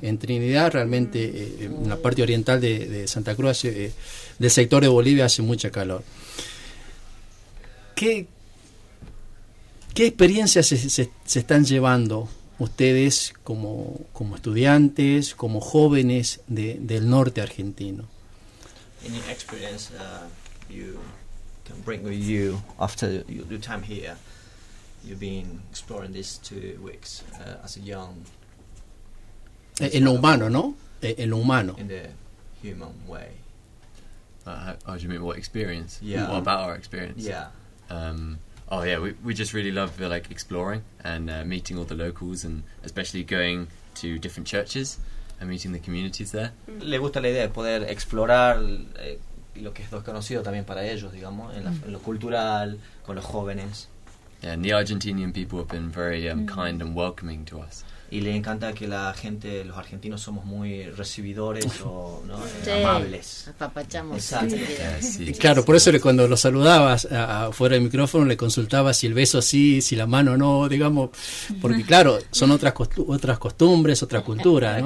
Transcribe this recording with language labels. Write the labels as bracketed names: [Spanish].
[Spanish] En Trinidad, realmente, en la parte oriental de Santa Cruz, del sector de Bolivia, hace mucha calor. ¿Qué experiencias se están llevando ustedes como estudiantes, como jóvenes del norte argentino? [English] Any experience you can bring with you after your time here? You've been exploring these 2 weeks as a young. [Spanish] En lo humano, ¿no? En lo humano. [English] In the human way. How do you mean? What experience? Yeah. What about our experience? Yeah. Oh yeah, we just really love exploring and meeting all the locals, and especially going to different churches. and meeting the communities there. [Spanish] Le gusta la idea de poder explorar lo que es desconocido también para ellos, digamos, en, la, en lo cultural, con los jóvenes. [English] Yeah, and the Argentinian people have been very kind and welcoming to us. [Spanish] Y le encanta que la gente, los argentinos, somos muy recibidores o ¿no? Sí. Amables. Apapachamos. Exacto. [English] Yeah, [Spanish] sí. Claro, por eso cuando lo saludabas fuera del micrófono, le consultabas si el beso sí, si la mano no, digamos, porque claro, son otras otras costumbres, otra cultura, ¿no?